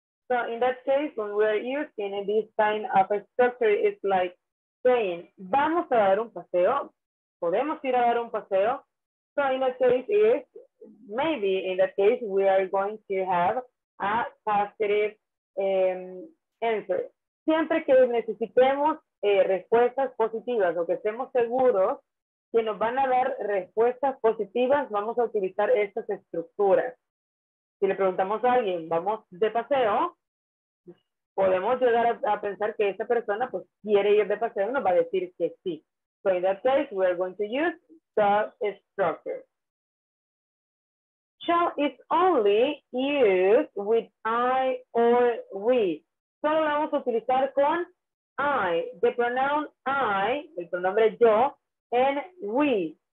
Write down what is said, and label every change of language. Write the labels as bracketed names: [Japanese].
[English] So in that case, when we're using in this kind of a structure, it's like saying, [Spanish] vamos a dar un paseo, [English] podemos ir a dar un paseo. So in that case, is maybe in that case, we are going to have a positive answer. [Spanish] Siempre que necesitemos respuestas positivas o que estemos seguros que nos van a dar respuestas positivas, vamos a utilizar estas estructuras. Si le preguntamos a alguien, vamos de paseo, podemos llegar a pensar que esa persona pues quiere ir de paseo, nos va a decir que sí. [English] So in that case, we're going to use the structure. Shall is only used with I or we. [Spanish] Solo lo vamos a utilizar con I, [English] the pronoun I, [Spanish] el pronombre yo, [English] and we.